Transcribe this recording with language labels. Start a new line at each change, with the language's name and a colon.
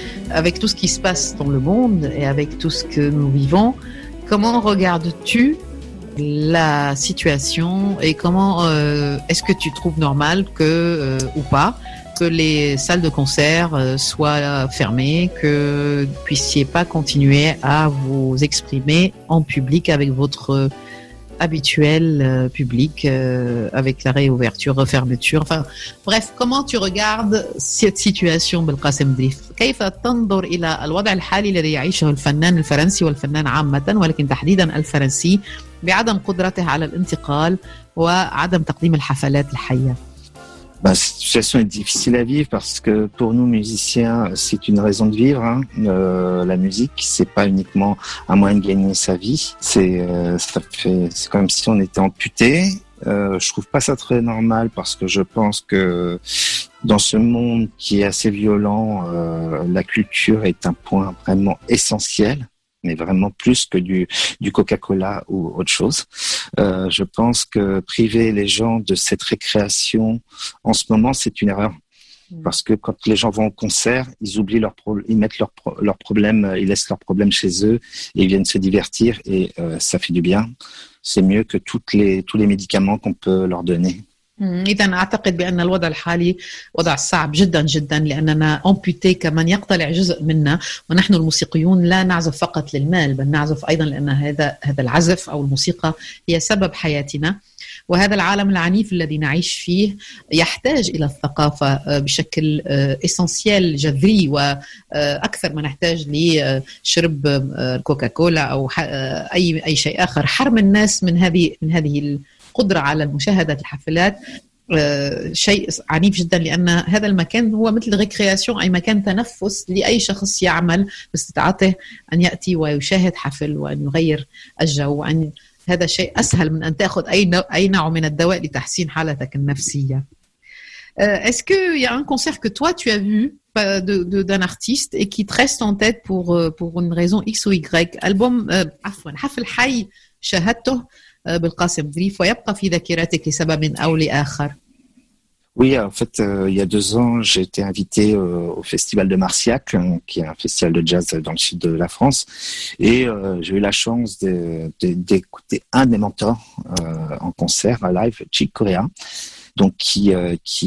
French: Avec tout ce qui se passe dans le monde et avec tout ce que nous vivons, comment regardes-tu la situation et comment est-ce que tu trouves normal que ou pas que les salles de concert soient fermées, que vous puissiez pas continuer à vous exprimer en public avec votre habituel public avec la réouverture, refermeture, enfin bref, comment tu regardes cette situation, Belkacem Drif?
Arabic: كيف تنظر الى الوضع الحالي الذي يعيشه الفنان الفرنسي والفنان عامة ولكن تحديدا الفرنسي بعدم قدرته على الانتقال وعدم تقديم الحفلات الحية؟
French: Ben, cette situation est difficile à vivre parce que pour nous musiciens, c'est une raison de vivre. Hein. La musique, c'est pas uniquement un moyen de gagner sa vie. C'est comme si on était amputé. Je trouve pas ça très normal parce que je pense que dans ce monde qui est assez violent, la culture est un point vraiment essentiel, mais vraiment plus que du Coca-Cola ou autre chose. Je pense que priver les gens de cette récréation en ce moment, c'est une erreur. Parce que quand les gens vont au concert, ils oublient leurs problèmes, ils laissent leurs problèmes chez eux et ils viennent se divertir et ça fait du bien. C'est mieux que tous les médicaments qu'on peut leur donner.
Arabic: إذن أعتقد بأن الوضع الحالي وضع صعب جدا جدا لأننا أمبوتي كمان يقتلع جزء منا ونحن الموسيقيون لا نعزف فقط للمال بل نعزف أيضا لأن هذا العزف أو الموسيقى هي سبب حياتنا وهذا العالم العنيف الذي نعيش فيه يحتاج إلى الثقافة بشكل إسانسيال جذري وأكثر ما نحتاج لشرب كوكاكولا أو أي شيء آخر حرم الناس من هذه قدرة على مشاهدة الحفلات شيء عنيف جدا لأن هذا المكان هو مثل ريكرياسيون أي مكان تنفس لأي شخص يعمل باستطاعته أن يأتي ويشاهد حفل وأن يغير الجو وأن هذا شيء أسهل من أن تأخذ أي نوع من الدواء لتحسين حالتك النفسية.
French: Est-ce qu'il y a un concert que toi tu as vu d'un artiste et qui te reste en tête pour une raison X ou Y?
Arabic: Album حفل حي شاهدته بالقاسم ظريف ويبقى في ذاكرتك لسبب أو لآخر.
French: Oui, en fait, il y a deux ans, j'ai été invité au Festival de Marciac, qui est un festival de jazz dans le sud de la France, et j'ai eu la chance d'écouter un des mentors en concert, en live, Chick Corea, donc et